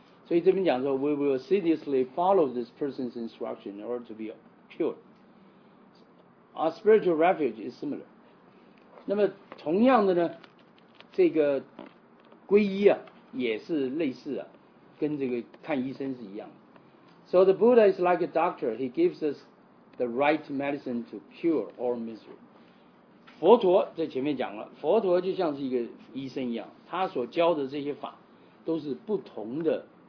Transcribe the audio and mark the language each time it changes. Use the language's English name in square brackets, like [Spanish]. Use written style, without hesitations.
[Chinese] 所以这边讲说 [English] ，we will seriously follow this person's instruction in order to be cured. Our spiritual refuge is similar. [Chinese] 那么同样的呢，这个皈依啊，也是类似啊，跟这个看医生是一样的。 [English] So the Buddha is like a doctor. He gives us the right medicine to cure all misery. [Chinese] 佛陀在前面讲了，佛陀就像是一个医生一样，他所教的这些法都是不同的。